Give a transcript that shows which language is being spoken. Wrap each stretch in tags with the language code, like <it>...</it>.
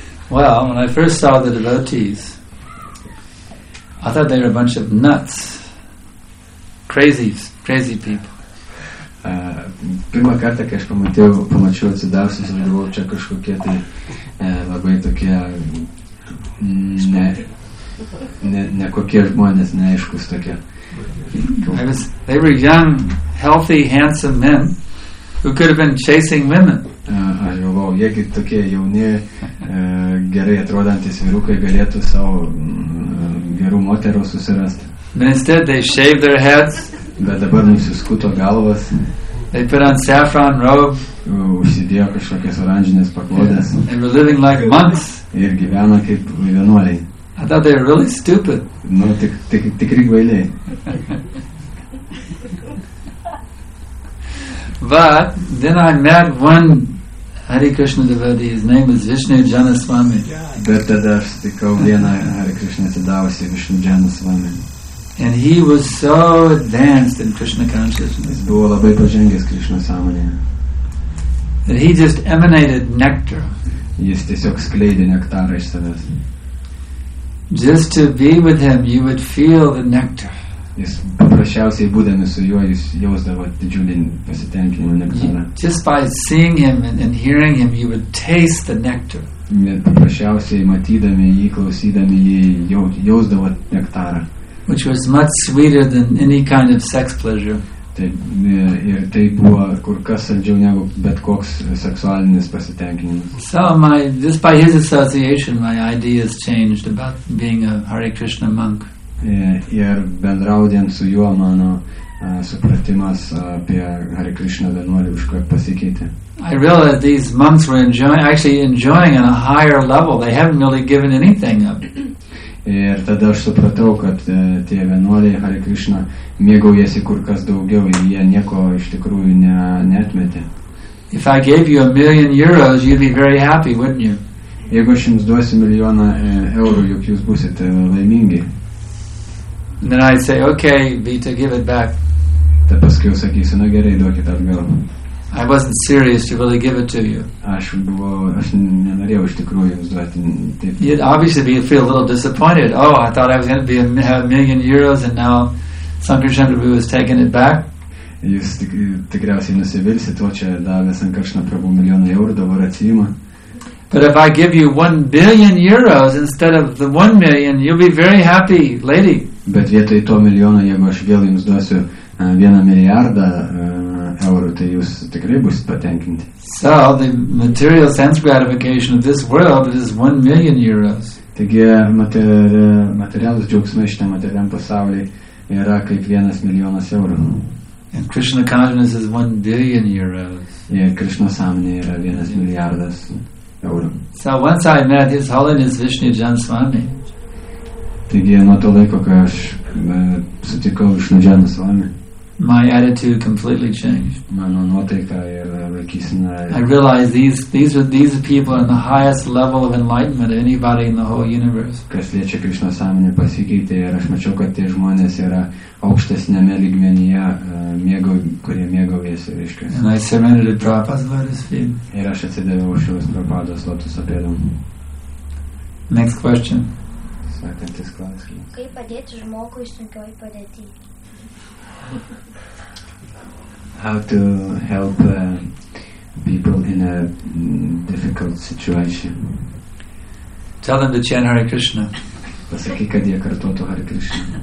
<en>Well, when I first saw the devotees, I thought they were a bunch of nuts, crazy people.</en> <lt>Pirmą kartą, kai aš pamačiau atsidavusius, aš galvojau, čia kažkokie tai labai tokie nekokie žmonės, neaiškus tokie.</lt> <en>They were young, healthy, handsome men who could have been chasing women.</en> <lt>Aš galvojau, jiegi tokie jauni, gerai atrodantys vyrukai galėtų savo gerų moterų susirasti.</lt> <en>But instead they shaved their heads.</en> <lt>Bet dabar nusiskuto galvas.</lt> <en>They put on saffron robe.</en> <lt>Užsidėjo kažkokias oranžinės paklodės.</lt> <en>They were living like monks.</en> <lt>Ir gyveno kaip vienuoliai.</lt> <en>I thought they were really stupid.</en> <lt>Nu, tikri kvailiai.</lt> <en>But then I met one Hare Krishna devotee. His name was Vishnu Janaswami.</en> <lt>Bet tada aš sutikau vieną Hare Krishna atsidavusį Vishnu Janaswami.</lt> <en>And he was so advanced in Krishna consciousness.</en> <lt>Buvo labai pažengęs Krishna sąmonėje.</lt> <en>That he just emanated nectar.</en> <lt>Jis tiesiog skleidė nektarą iš savęs.</lt> <en>Just to be with him, you would feel the nectar.</en> <lt>Jis paprasčiausiai būdami su juo, jis jausdavo didžiulį pasitenkinimą nektarą.</lt> <en>Just by seeing him and hearing him, you would taste the nectar.</en> <lt>Paprasčiausiai matydami jį, klausydami jį, jausdavo nektarą.</lt> <en>Which was much sweeter than any kind of sex pleasure.</en> <lt>Ir tai buvo kur kas saldžiau negu bet koks seksualinis pasitenkinimas.</lt> <en>So just by his association, my ideas changed about being a Hare Krishna monk.</en> <lt>Ir bendraudiant su juo, mano supratimas apie Hare Krishna vienuolį kažkaip pasikeitė.</lt> <en>I realized that these monks were actually enjoying on a higher level. They haven't really given anything up.</en> <lt>Ir tada aš supratau, kad tie vienuoliai Hare Krishna mėgaujasi kur kas daugiau ir jie nieko iš tikrųjų neatmetė.</lt> <en>If I gave you a million euros, you'd be very happy, wouldn't you?</en> <lt>Jeigu aš jums duosiu milijoną eurų, juk jūs būsite laimingi.</lt> <en>And then I'd say, okay, Vita, give it back.</en> <lt>Ta paskui sakysiu, na gerai, duokit atgal.</lt> <en>I wasn't serious to really give it to you.</en> <lt>Aš nenorėjau iš tikrųjų jums duoti.</lt> <en>You'd obviously feel a little disappointed. Oh, I thought I was going to have a million euros and now Sankarsana Prabhu has taken it back.</en> <lt>Jūs tikriausiai nusivilsit, o čia davė Sankarsana Prabhu milijoną eurų, dabar atsiima.</lt> <en>But if I give you 1 billion euros instead of the 1 million, you'll be very happy, lady.</en> <lt>Bet vietoj to milijono, jeigu aš vėl jums duosiu vieną milijardą eurų, tai jūs tikrai būsit patenkinti.</lt> <en>So, the material sense gratification of this world is 1 million euros.</en> <lt>Taigi, materialus džiaugsmai šitą materialiam pasaulį yra kaip 1 milijonas eurų.</lt> <en>And Krishna consciousness is 1 billion euros.</en> <lt>Yeah, Krishna sąmonė yra 1 milijardas eurų.</lt> <en>So, once I met His Holiness Vishnu Janaswami.</en> <lt>Taigi, nuo to laiko, kai aš sutikau Vishnu Janaswami.</lt> <en>my attitude completely changed.</en> <lt>Mano nuotaika yra laikysena.</lt> <en>I realized these are people in the highest level of enlightenment, anybody in the whole universe.</en> <lt>Kas liečia Krishna sąmonę pasikeitė ir aš mačiau, kad tie žmonės yra aukštesnėme lygmenyje, kurie mėgaujasi, reiškia.</lt> <en>And I surrendered to Prabhupada's lotus feet.</en> <lt>Ir aš atsidaviau šios Prabhupada's lotus pėdom.</lt> <en>Next question.</en> <lt>Sekantis klausimas. Kaip padėti žmogui sunkioj padėti?</lt> <en>How to help people in a difficult situation. Tell them to chant Hare Krishna.</en> <lt>Pasakyk, kad jie kartotų Hare Krishna.</lt>